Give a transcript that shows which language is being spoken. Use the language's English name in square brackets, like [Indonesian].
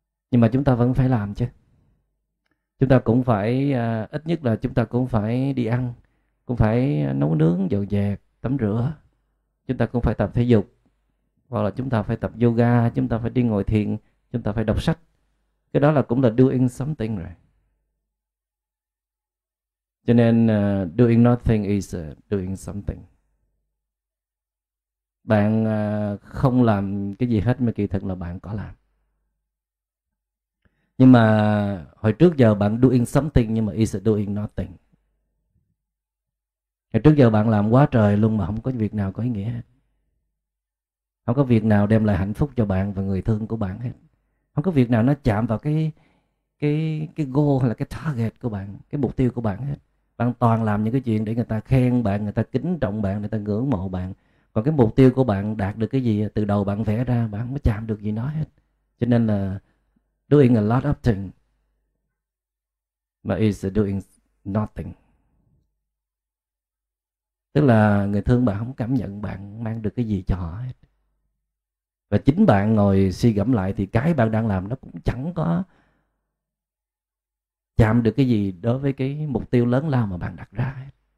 [Vietnamese] Nhưng mà chúng ta vẫn phải làm chứ. Chúng ta cũng phải, ít nhất là chúng ta cũng phải đi ăn, cũng phải nấu nướng, dọn dẹp, tắm rửa. Chúng ta cũng phải tập thể dục, hoặc là chúng ta phải tập yoga, chúng ta phải đi ngồi thiền, chúng ta phải đọc sách. Cái đó là cũng là doing something rồi. [English] Cho nên doing nothing is doing something. [Vietnamese] Bạn không làm cái gì hết mà kỳ thực là bạn có làm. Nhưng mà hồi trước giờ bạn doing something nhưng mà is doing nothing. Hồi trước giờ bạn làm quá trời luôn mà không có việc nào có ý nghĩa hết. Không có việc nào đem lại hạnh phúc cho bạn và người thương của bạn hết. Không có việc nào nó chạm vào cái goal hay là cái target của bạn, cái mục tiêu của bạn hết. Bạn toàn làm những cái chuyện để người ta khen bạn, người ta kính trọng bạn, người ta ngưỡng mộ bạn. Còn cái mục tiêu của bạn đạt được cái gì từ đầu bạn vẽ ra, bạn không có chạm được gì nó hết. [English] Cho nên là doing a lot of things, but is doing nothing. [Vietnamese] Tức là người thương bạn không cảm nhận bạn mang được cái gì cho họ hết. Và chính bạn ngồi suy gẫm lại thì cái bạn đang làm nó cũng chẳng có chạm được cái gì đối với cái mục tiêu lớn lao mà bạn đặt ra hết.